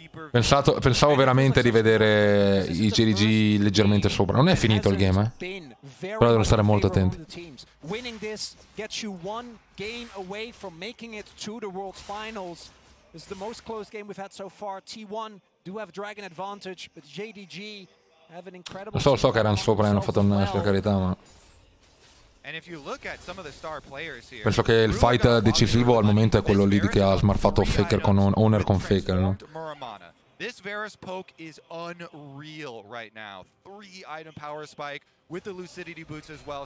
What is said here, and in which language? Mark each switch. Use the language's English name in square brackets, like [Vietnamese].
[Italian] Pensavo veramente di vedere i GDG leggermente sopra. Non è finito il game, eh? Però devono stare molto attenti. [English] Winning this gets you one game away from making it to the world finals. This is the most close game we've had so far. T1 do have dragon advantage, but JDG have an incredible. [Italian] So che erano sopra e hanno fatto una per carità, ma. [English] And if you look at some of the star players here. [Italian] Penso che il fight decisivo al momento è quello lì che ha smurfato Faker con Owner con Faker, no? [English] This Varus poke is unreal right now. 3 item power spike with the lucidity boots as well.